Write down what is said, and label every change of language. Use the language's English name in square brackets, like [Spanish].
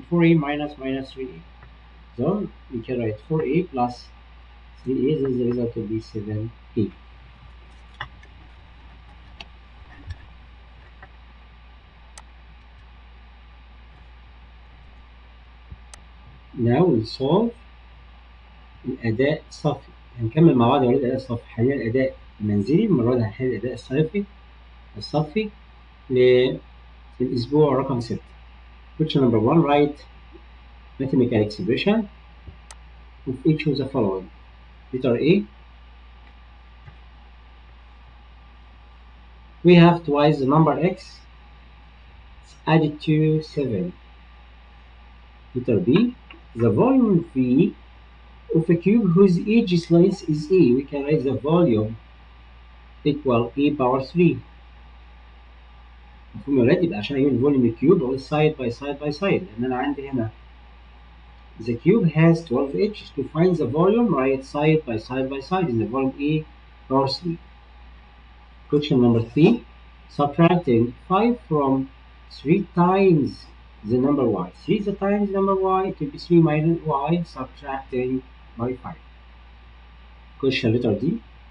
[English] 4a minus minus 3a. So we can write 4a plus 3a, then the result will be 7a. Now we solve [Arabic] الأداء الصفي. هنكمل مع بعض الأداء الصفي. حاليا الأداء المنزلي، المرة دي هنحل الأداء الصيفي الصفي للأسبوع رقم 6. [English] Question number 1. Write mathematical expression of each of the following. Letter A. We have twice the number x added to 7. Letter B. The volume V of a cube whose edge slice is A. We can write the volume equal A power 3. [Arabic] مفهوم الولاد يبقى عشان اجيب الفوليوم الكيوب اقول سايد باي سايد باي سايد، لان انا عندي هنا [English] the cube has 12 edges. To find the volume, write side by side by side in the volume A power 3. Question number 3. Subtracting 5 from 3 times the number y. 3 is the times number y, it will be 3 minus y subtracting by 5. Question letter D.